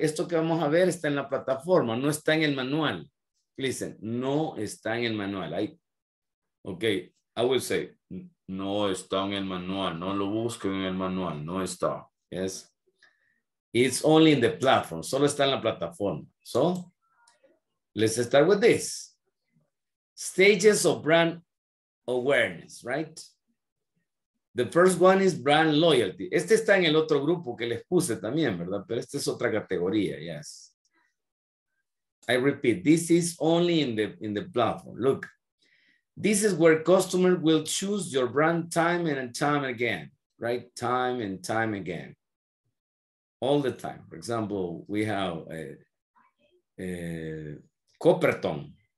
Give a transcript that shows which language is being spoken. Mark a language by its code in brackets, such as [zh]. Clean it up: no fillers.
[es] Esto que vamos a ver está en la plataforma, no está en el manual. [en] Listen, [es] no está en el manual. [en] Okay, I will say, [es] no está en el manual. No lo busquen en el manual, no está. [en] Yes? It's only in the platform. [es] Solo está en la plataforma. [en] So, let's start with this. Stages of brand awareness, right? The first one is brand loyalty. [es] Este está en el otro grupo que les puse también, ¿verdad? Pero esta es otra categoría, yes. [en] I repeat, this is only in the platform. Look, this is where customers will choose your brand time and time again, right? Time and time again. All the time. For example, we have Copperton.